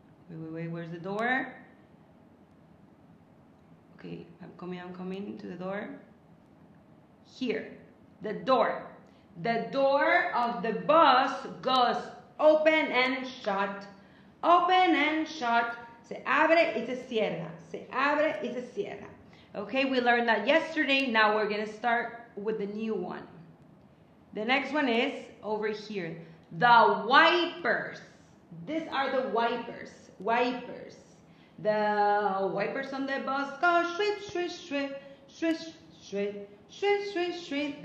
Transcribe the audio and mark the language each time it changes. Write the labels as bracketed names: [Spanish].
[English] Wait, where's the door? Okay, I'm coming to the door. Here, the door. The door of the bus goes open and shut, open and shut. [Spanish] Se abre y se cierra, se abre y se cierra. [English] Okay, we learned that yesterday. Now we're gonna start with the new one. The next one is over here. The wipers. These are the wipers, wipers. The wipers on the bus go shwit, shwit, shwit, shwit, shwit, shwit, shwit, shwit.